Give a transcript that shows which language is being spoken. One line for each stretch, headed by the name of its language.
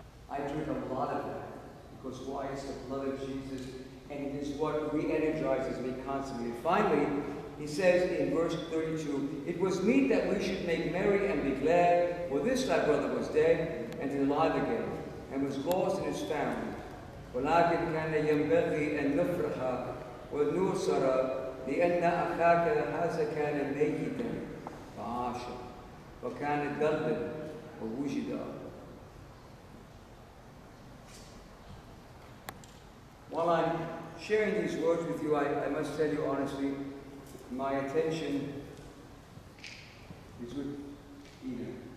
English: I drink a lot of that because why? It's the blood of Jesus, and it is what re-energizes me constantly. And finally, he says in verse 32, it was meet that we should make merry and be glad, for this thy brother was dead and is alive again, and was lost and is found.
Arabic: ولكن كان ينبغي أن نفرح ونسر لأن أخاك هذا كان ميتا فعاش وكان دلا ووجد.
English: While I'm sharing these words with you, I must tell you honestly, my attention is with Eden.